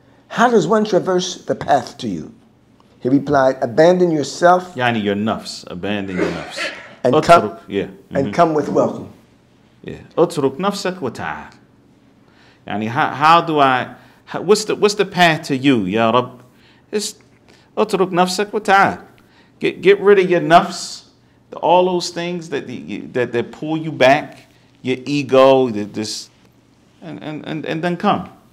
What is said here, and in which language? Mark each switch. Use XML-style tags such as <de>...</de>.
<en>How does one traverse the path to you? He replied, abandon yourself. Yani your nafs. Abandon your nafs. And</en> <ar>اترك,</ar> <en>come, yeah. Mm-hmm. And come with welcome. Yeah.</en> <ar>اترك نفسك وتعال.</ar> <en>Yani how do I, what's the path to you, Ya Rab? It's</en> <ar>اترك نفسك وتعال.</ar> <en>Get rid of your nafs. All those things that pull you back, your ego, this, and then come.</en>